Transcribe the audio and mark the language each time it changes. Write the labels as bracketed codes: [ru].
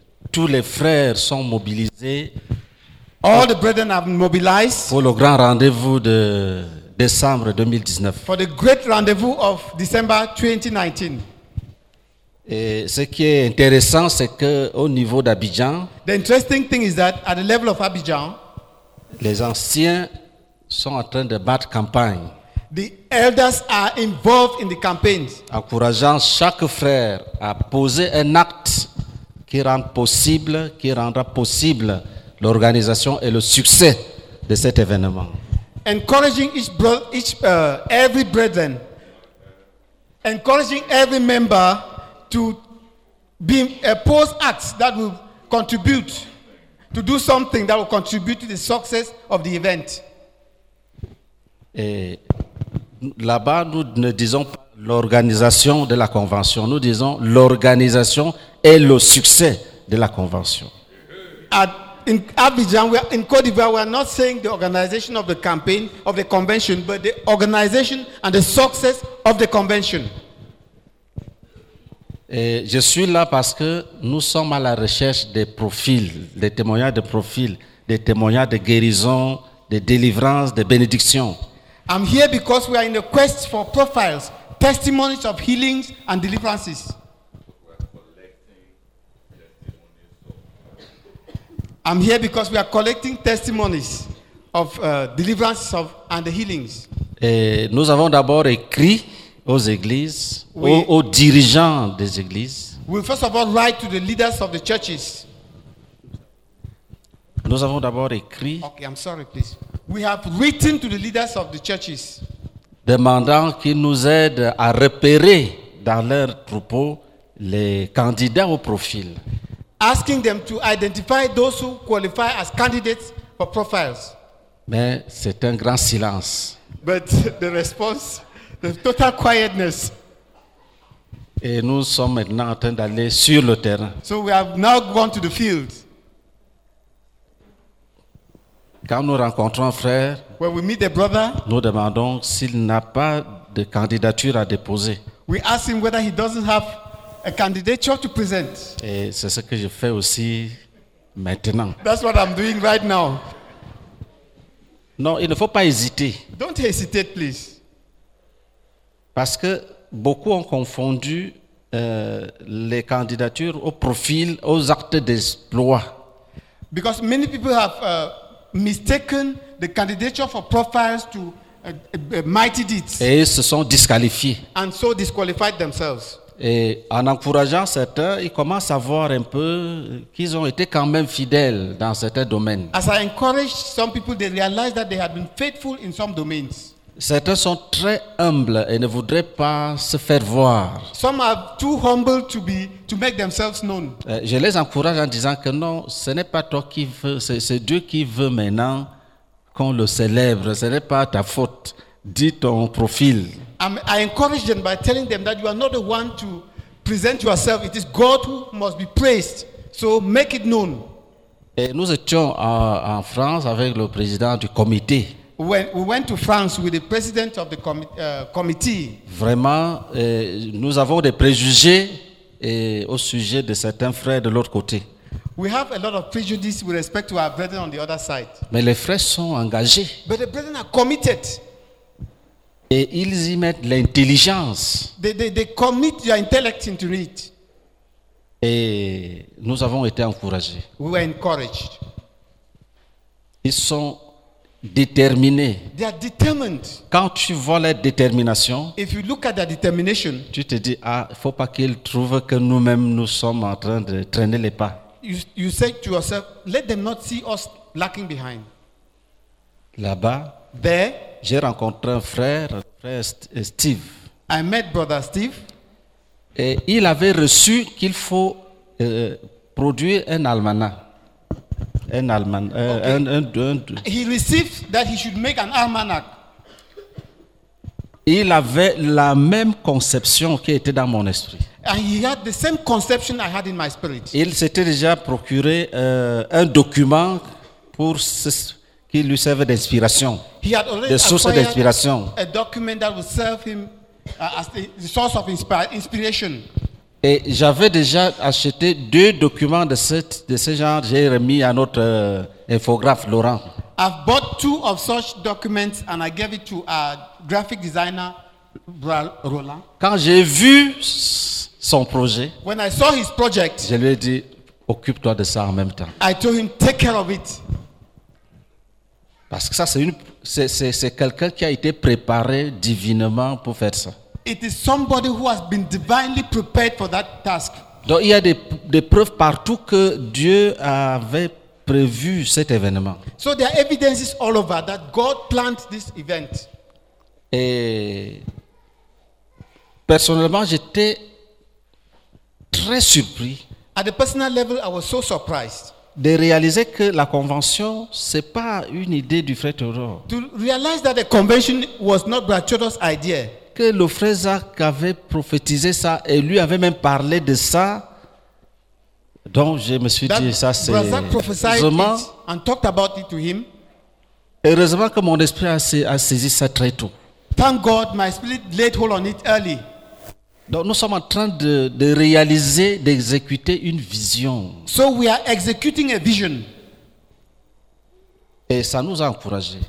[fr] Tous les frères sont mobilisés. [en] All the brethren have mobilized. [fr] Pour le grand rendez-vous de décembre 2019. [en] For the great rendezvous of December 2019. [fr] Et ce qui est intéressant, c'est que au niveau d'Abidjan, [en] the interesting thing is that at the level of Abidjan, [fr] les anciens sont en train de battre campagne. [en] The elders are involved in the campaigns. [fr] Encourageant chaque frère à poser un acte qui rend possible, qui rendra possible l'organisation et le succès de cet événement. [en] Encouraging every brethren, encouraging every member to be a post act that will contribute, to do something that will contribute to the success of the event. [fr] Et là-bas, nous ne disons pas l'organisation de la convention, nous disons l'organisation et le succès de la convention. [en] In Abidjan, in Côte d'Ivoire, we are not saying the organization of the campaign, of the convention, but the organization and the success of the convention. [fr] Et je suis là parce que nous sommes à la recherche des profils, des témoignages de profils, des témoignages de guérison, de délivrance, de bénédiction. [en] I'm here because we are in a quest for profiles, testimonies of healings and deliverances. I'm here because we are collecting testimonies of deliverances of and the healings. [fr] Et nous avons d'abord écrit aux églises, aux dirigeants des églises. [en] We first of all write to the leaders of the churches. [fr] Nous avons d'abord écrit. [en] Okay, I'm sorry, please. We have written to the leaders of the churches, [fr] demandant qu'ils nous aident à repérer dans leur troupeau les candidats au profil. [en] Asking them to identify those who qualify as candidates for profiles. [fr] Mais c'est un grand silence. [en] But the response. The total quietness. [fr] Et nous sommes maintenant en train d'aller sur le terrain. [en] So we have now gone to the field. [fr] Quand nous rencontrons un frère, [en] when we meet the brother, [fr] nous demandons s'il n'a pas de candidature à déposer. [en] We ask him whether he doesn't have a candidature to present. [fr] Et c'est ce que je fais aussi maintenant. [en] That's what I'm doing right now. [fr] Non, il ne faut pas hésiter. [en] Don't hesitate, please. [fr] Parce que beaucoup ont confondu les candidatures au profil, aux actes d'exploit. [en] Because many people have mistaken the candidature for profiles to mighty deeds. [fr] Et ils se sont disqualifiés. [en] And so disqualified themselves. [fr] Et en encourageant certains, ils commencent à voir un peu qu'ils ont été quand même fidèles dans certains domaines. [en] As I encourage some people, they realize that they have been faithful in some domains. [fr] Certains sont très humbles et ne voudraient pas se faire voir. [en] Some are too humble to make themselves known. [fr] Je les encourage en disant que non, ce n'est pas toi qui veux, c'est Dieu qui veut maintenant qu'on le célèbre. Ce n'est pas ta faute. Dis ton profil. [en] I encourage them by telling them that you are not the one to present yourself. It is God who must be praised. So make it known. [fr] Et nous étions en France avec le président du comité. [en] When we went to France with the president of the committee. [fr] Vraiment, nous avons des préjugés au sujet de certains frères de l'autre côté. [en] We have a lot of prejudice with respect to our brethren on the other side. [fr] Mais les frères sont engagés. [en] But the brethren are committed. [fr] Et ils y mettent l'intelligence. [en] They commit their intellect into it. [fr] Et nous avons été encouragés. [en] We were encouraged. [fr] Ils sont déterminés. [en] They are determined. [fr] Quand tu vois leur détermination, [en] if you look at their determination, [fr] tu te dis, ah, faut pas qu'ils trouvent que nous-mêmes nous sommes en train de traîner les pas. [en] You say to yourself, let them not see us lacking behind. [fr] Là-bas, [en] there, [fr] j'ai rencontré un frère Steve. [en] I met brother Steve. [fr] Et il avait reçu qu'il faut produire un almanach. Un almanach. Okay. [en] He received that he should make an almanach. [fr] Il avait la même conception qui était dans mon esprit. [en] And he had the same conception I had in my spirit. [fr] Il s'était déjà procuré un document pour ce qui lui servait d'inspiration, de source d'inspiration. [en] A document that would serve him as the source of inspiration. [fr] Et j'avais déjà acheté deux documents de ce genre. J'ai remis à notre infographe Laurent. [en] I've bought two of such documents and I gave it to our graphic designer Roland. [fr] Quand j'ai vu son projet, [en] when I saw his project, [fr] je lui ai dit, occupe-toi de ça en même temps. [en] I told him, take care of it. [fr] Parce que ça, c'est quelqu'un qui a été préparé divinement pour faire ça. [en] It is somebody who has been divinely prepared for that task. [fr] Donc il y a des preuves partout que Dieu avait prévu cet événement. [en] So there are evidences all over that God planned this event. [fr] Et personnellement, j'étais très surpris. [en] At a personal level, I was so surprised. [fr] De réaliser que la convention, ce n'est pas une idée du frère Théodore. [en] To realize that the convention was not Brother Theodore's idea. [fr] Que le frère Zach avait prophétisé ça et lui avait même parlé de ça. Donc je me suis [en] that [fr] dit, ça c'est [en] Brother Zach prophesied it and talked about it to him. [fr] Heureusement que mon esprit a saisi ça très tôt. [en] Thank God, my spirit laid hold on it early. [fr] Donc nous sommes en train de réaliser, d'exécuter une vision. [en] So we are executing a vision. [fr] Et ça nous a encouragés.